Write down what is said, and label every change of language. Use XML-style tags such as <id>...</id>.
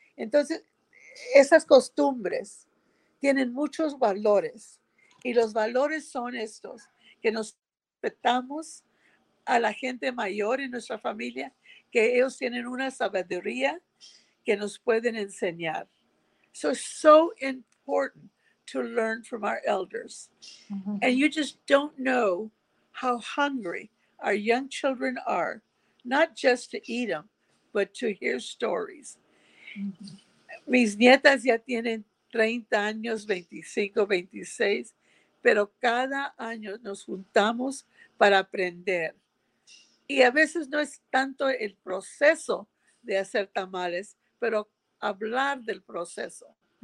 <es>Entonces, esas costumbres tienen muchos valores. Y los valores son estos, que nos respetamos a la gente mayor en nuestra familia, que ellos tienen una sabiduría que nos pueden enseñar.</es> <en>So, it's so important to learn from our elders. And you just don't know how hungry our young children are, not just to eat them, but to hear stories.</en> <es>Mis nietas ya tienen 30 años, 25, 26, pero cada año nos juntamos para aprender. Y a veces no es tanto el proceso de hacer tamales, pero hablar del proceso.</es>